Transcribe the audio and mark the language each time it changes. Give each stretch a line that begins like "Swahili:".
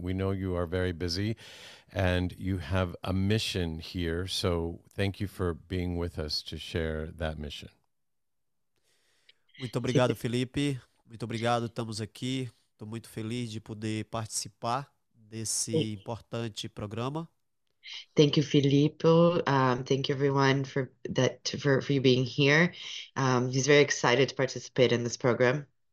English: We know you are very busy and you have a mission here. So thank you for being with us to share that mission.
Portuguese: Muito obrigado, Felipe. Muito obrigado, estamos aqui. Estou muito feliz de poder participar desse importante programa.
English: Thank you, Filippo. Thank you, everyone, for you being here. He's very excited to participate in this program.